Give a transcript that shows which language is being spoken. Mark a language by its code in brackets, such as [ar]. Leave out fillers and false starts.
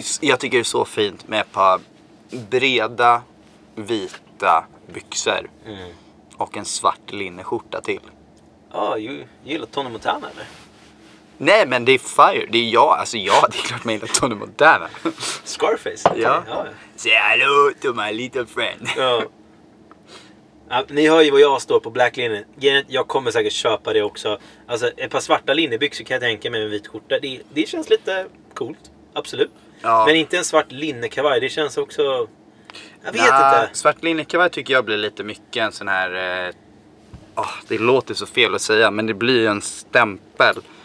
[sv] Jag tycker det är så fint med ett par breda vita byxor. Mm. Och en svart linneskjorta till. Ja, gillar Tony Montana eller? Nej, men det är fire. Det är jag. Alltså jag, det är klart man gillar Tony Montana. Scarface? Ja. [en] Say hello to my little friend. [sv] Ja. Ni hör ju vad jag står på [en] black linen. [sv] Jag kommer säkert köpa det också. Alltså ett par svarta linnebyxor kan jag tänka mig med en vit skjorta. Det känns lite coolt. Absolut. Ja. Men inte en svart linnekavaj. Det känns också... Jag vet inte. Svart linnekavaj tycker jag blir lite mycket en sån här... det låter så fel att säga, men det blir en stämpel.